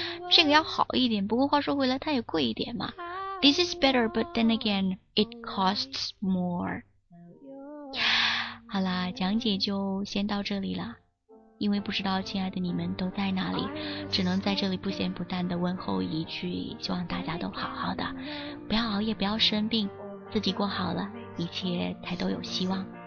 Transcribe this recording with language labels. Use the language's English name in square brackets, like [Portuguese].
[Chinese] 这个要好一点，不过话说回来他也贵一点嘛。 [English] This is better, but then again, it costs more. [Chinese] 好啦，讲解就先到这里了，因为不知道亲爱的你们都在哪里，只能在这里不咸不淡的问候一句，希望大家都好好的，不要熬夜，不要生病，自己过好了，一切才都有希望。